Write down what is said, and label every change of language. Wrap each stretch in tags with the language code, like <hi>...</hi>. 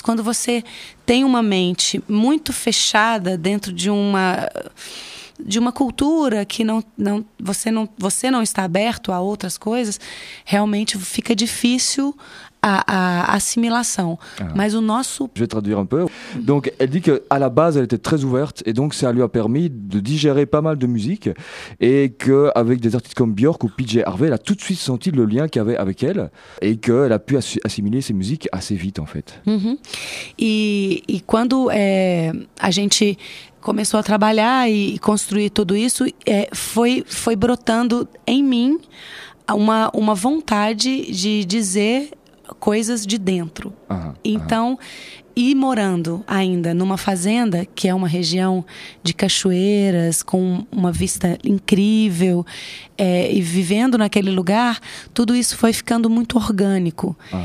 <pt>Quando você tem uma mente muito fechada dentro de uma cultura que você não está aberto a outras coisas, realmente fica difícil a assimilação. Mas o nosso...</pt> <fr>Je vais traduire un peu. Donc, elle dit qu'à la base, elle était très ouverte et donc ça lui a permis de digérer pas mal de musique et qu'avec des artistes comme Bjork ou PJ Harvey, elle a tout de suite senti le lien qu'il y avait avec elle et qu'elle a pu assimiler ses musiques assez vite, en fait. Et quand</fr> <pt>a gente começou a trabalhar e construir tudo isso, foi brotando em mim uma vontade de dizer coisas de dentro. Então, e morando ainda numa fazenda, que é uma região de cachoeiras, com uma vista incrível, e vivendo naquele lugar, tudo isso foi ficando muito orgânico.</pt>